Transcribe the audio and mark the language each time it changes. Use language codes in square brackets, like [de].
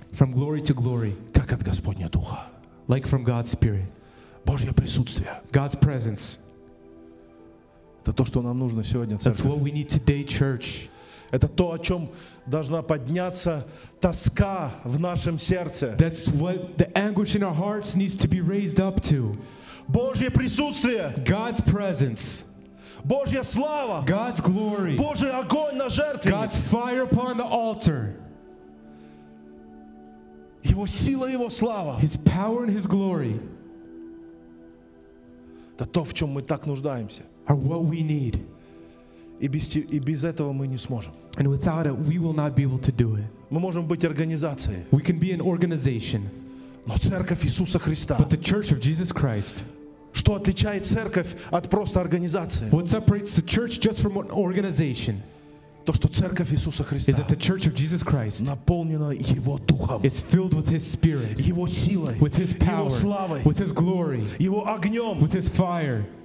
[en] From glory to glory. [ru] Как от Господня Духа. [en] Like from God's Spirit. [ru] Божье присутствие. [en] God's presence. [ru] Это то, что нам нужно сегодня, церковь. [en] That's what we need today, church. [ru] Это то, о чем должна подняться тоска в нашем сердце. [en] That's what the anguish in our hearts needs to be raised up to. [ru] Божье присутствие. [en] God's presence. [ru] Божья слава. [en] God's glory. [ru] Божий огонь на жертве. [en] God's fire upon the altar. [ru] Его сила, его слава. [en] His power and his glory. [ru] Это то, в чем мы так нуждаемся. [en] Are what we need. [ru] И без этого мы не сможем. [en] And without it, we will not be able to do it. [ru] Мы можем быть организацией. [en] We can be an organization. [ru] Но церковь Иисуса Христа. [en] But the church of Jesus Christ. [ru] Что отличает церковь от просто организации? [en] What separates the church just from an organization? [ru] То, что церковь Иисуса Христа. [en] Is that the church of Jesus Christ. [ru] Наполнена Его Духом. [en] It's filled with His Spirit. [ru] Его силой. [en] With His power. [ru] Его славой. [en] With His glory. [ru] Его огнем. [en] With His fire.